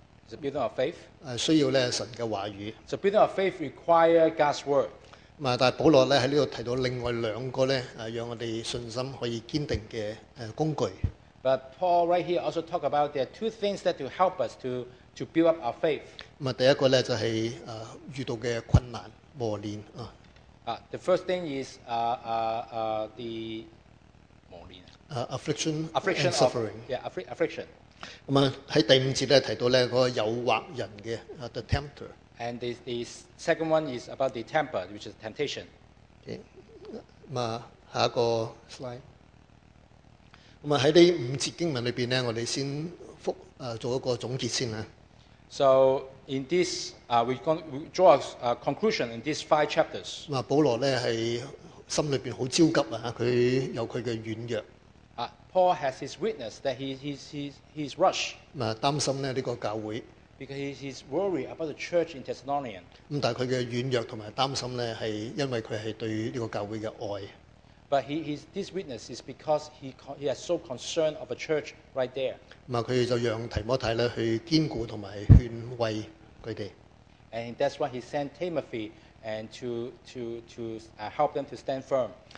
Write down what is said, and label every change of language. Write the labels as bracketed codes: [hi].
[en] The building of faith. [yue] 需要咧神嘅话语。 [en] So building of faith require God's word. [yue] 咁啊，但系保罗咧喺呢度提到另外两个咧，让我哋信心可以坚定嘅工具。 [en] But Paul right here also talk about there are two things that to help us to build up our faith. [yue] 咁啊，第一个咧就系遇到嘅困难磨练啊。 [en] The first thing is the 磨练。 Affliction and suffering. Affliction. [yue] 咁啊，喺第五节咧提到咧嗰个诱惑人嘅the tempter。 [en] And the second one is about the temper, which is temptation。 [yue] 咁啊，下一个 slide。咁啊，喺呢五节经文里边咧，我哋先复做一个总结先啦。 [en] So in this we draw a conclusion in these five chapters。 [yue] 话保罗咧系心里边好焦急啊，佢有佢嘅软弱。 [en] Paul has his witness that he's rushed. [yue] 擔心咧呢個教會。 [en] Because he's worried about the church in Thessalonians. [yue] 咁但係佢嘅軟弱同埋擔心咧，係因為佢係對呢個教會嘅愛。 [en] But this witness is because he is so concerned of a church right there. [yue] 咁啊，佢就讓提摩太咧去堅固同埋勸慰佢哋。 [en] And that's why he sent Timothy and to help them to stand firm.